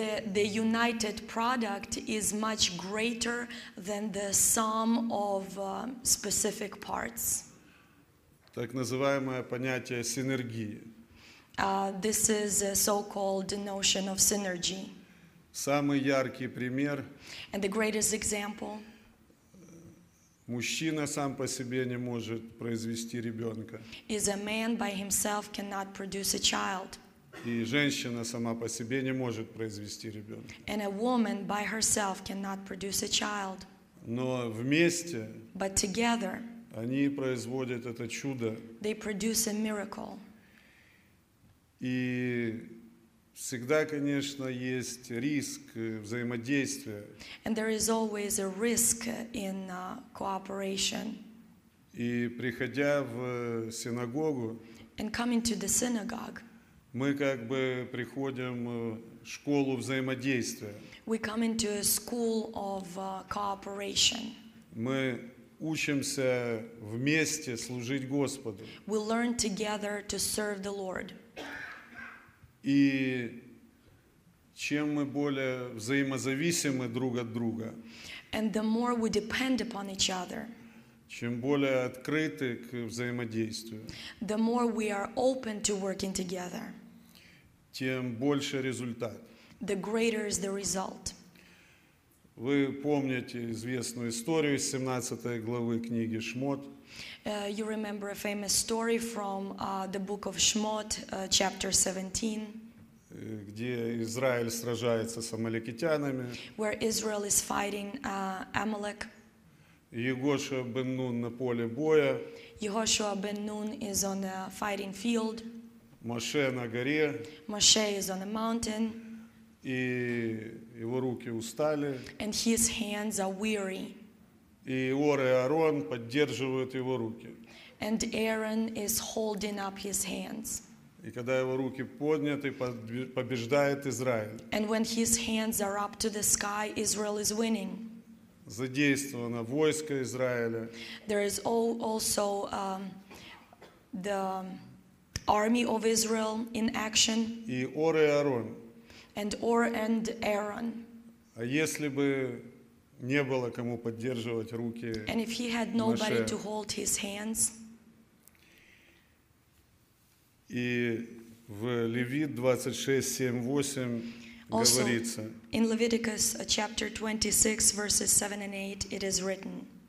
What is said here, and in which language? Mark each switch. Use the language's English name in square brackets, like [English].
[English] The united product is much greater than the sum of specific parts. [Russian] Так называемое понятие синергии. [English] This is a so-called notion of synergy. [Russian] Самый яркий пример. [English] And the greatest example. [Russian] Мужчина сам по себе не может произвести ребенка. [English] Is a man by himself cannot produce a child. [Russian] И женщина сама по себе не может произвести ребенка. [English] And a woman by herself cannot produce a child. [Russian] Но вместе, [English] but together, [Russian] они производят это чудо. [English] They produce a miracle. [Russian] И всегда, конечно, есть риск взаимодействия. [English] And there is always a risk in cooperation. [Russian] И приходя в синагогу, [English] and coming to the synagogue, [Russian] мы как бы приходим в школу взаимодействия. [English] We come into a school of cooperation. [Russian] Мы учимся вместе служить Господу. [English] We learn together to serve the Lord. [Russian] И чем мы более взаимозависимы друг от друга, [English] and the more we depend upon each other, [Russian] чем более открыты к взаимодействию, [English] the more we are open to working together, [Russian] тем больше результат. [English] The greater is the result. [Russian] Вы помните известную историю из 17 главы книги Шмот. [English] You remember a famous story from the book of Shmot, chapter 17. [Russian] Где Израиль сражается с амаликитянами. [English] Where Israel is fighting Amalek. [Russian] Йегошуа бен Нун на поле боя. [English] Йегошуа бен Нун is on the fighting field. [Russian] Моше на горе. [English] Моше is on a mountain. [Russian] И его руки устали. [English] And his hands are weary. [Russian] И Ор и Аарон поддерживают его руки. [English] And Aaron is holding up his hands. [Russian] И когда его руки подняты, побеждает Израиль. [English] And when his hands are up to the sky, Israel is winning. [Russian] Задействовано войско Израиля. [English] There is also the army of Israel in action. [Russian] И Ор и Аарон. [English] And Or and Aaron. [Russian] А если бы не было кому поддерживать руки Моше? [English] And if he had nobody to hold his hands. [Russian] И в Левит 26:7-8 говорится. [English] In Leviticus chapter 26 verses 7 and 8 it is written.